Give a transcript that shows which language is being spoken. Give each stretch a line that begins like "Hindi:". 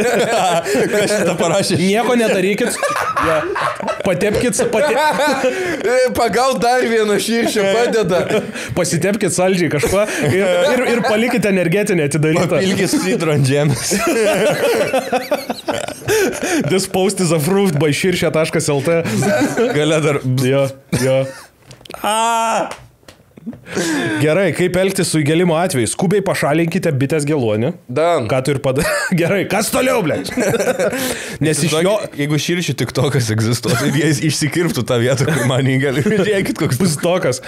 Lithuanian: Kas šitą parašė? Nieko nedarykit. Ja. Patepkit... Pagal dar vieną širšę padeda. Pasitepkit saldžiai kažko ir palikite energetinį atidarytą. Papilkis sidro ant žemės.
English: This post is approved by širšė.lt.
Lithuanian: Gale dar... Jo. Gerai, kaip elgtis su įgėlimo atveju? Skubiai pašalinkite bitės gėluonį. Dan. Ką tu ir padarai? Gerai, kas toliau, blėt? Nes iš jo... Jeigu širšių tik tokas egzistuo, tai jie išsikirptų tą vietą, kur man įgėlė. Žiūrėkit, koks bus tokas.